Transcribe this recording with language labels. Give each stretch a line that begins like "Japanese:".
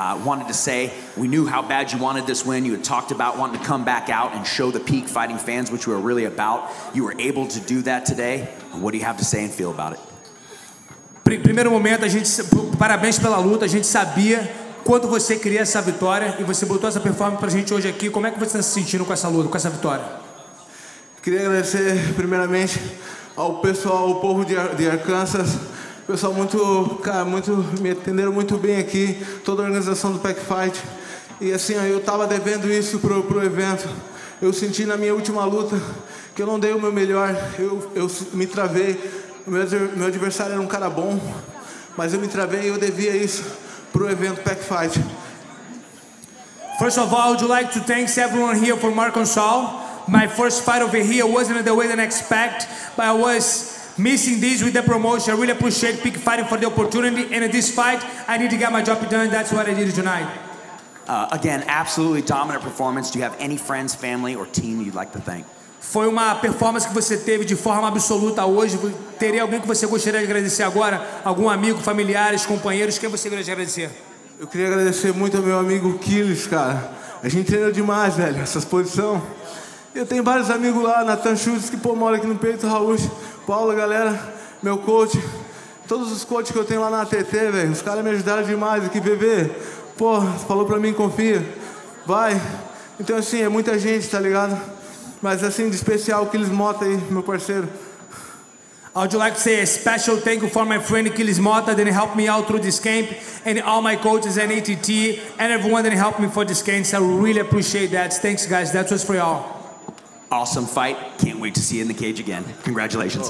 English: Wanted to say we knew how bad you wanted this win. You had talked about wanting to come back out and show the peak fighting fans what you were really about. You were able to do that today. What do you have to say and feel about it?
Portuguese: Primeiro momento, a gente, parabéns pela luta. A gente sabia quanto você queria essa vitória e você botou essa performance pra gente hoje aqui. Como é que você está se sentindo com essa luta, com essa vitória? Queria agradecer primeiramente ao pessoal, ao povo de Arkansas. Pessoal muito, cara, muito, me atenderam muito bem aqui, toda a organização do Pack Fight. E assim, eu tava devendo isso pro evento. Eu senti na minha última luta que eu não dei o meu melhor, eu me travei. Meu adversário era um cara bom, mas eu me travei e eu devia isso pro evento Pack Fight.
English: First of all, I would like to thank everyone here from Arkansas. My first fight over here wasn't the way that I expect, but I was missing this with the promotion. I really appreciate Peak Fighting for the opportunity. And in this fight, I need to get my job done. That's what I did tonight. Again, absolutely dominant performance. Do you have any friends, family, or team you'd like to thank?
Portuguese: Foi uma performance que você teve de forma absoluta hoje. Teria alguém que você gostaria de agradecer agora? Algum amigo, familiares, companheiros? Quem você gostaria de agradecer? Eu queria agradecer muito ao meu amigo Kills, cara. A gente treinou demais, velho, essas posições. Eu tenho vários amigos lá, Nathan Schultz, que pô, mora aqui no peito, Raul. Paulo, galera, meu coach, todos os coaches que eu tenho lá na TT, velho, os caras me ajudaram demais aqui, bebê. Pô, falou pra mim, confia, vai. Então, assim, é muita gente, tá ligado? Mas, assim, de especial, Kills Mota aí, meu parceiro.
English: I would like to say a special thank you for my friend Kills Mota that helped me out through this camp and all my coaches and ATT and everyone that helped me for this camp. So I really appreciate that. Thanks, guys. That was for y'all. Awesome fight. Can't wait to see you in the cage again. Congratulations.